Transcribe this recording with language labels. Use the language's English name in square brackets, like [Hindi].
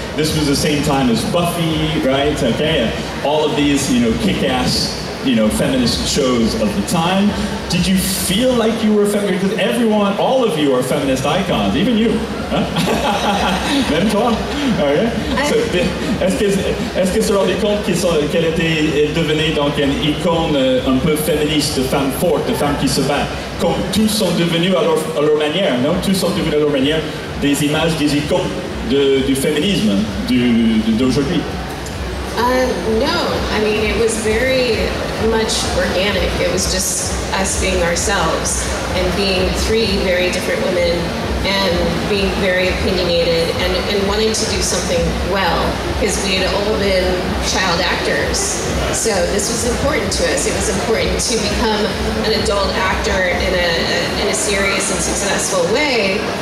[English] This was the same time as Buffy, right? Okay, and all of these, you know, kick-ass, you know, feminist shows of the time. Did you feel like you were a feminist? Because everyone, all of you are feminist icons, even you. [French] Même toi. Okay. Est-ce que se rendez compte qu'elle était devenue donc une icône un peu féministe, de femme forte, de femme qui se bat? Comme tous sont devenus à leur manière, non? Tous sont devenus à leur manière des images, des icônes du féminisme d'aujourd'hui. [English] No, I mean, it was very much organic. It was just us being ourselves and being three very different women and being very opinionated and wanting to do something well, because we had all been child actors. So this was important to us. It was important to become an adult actor in a serious and successful way.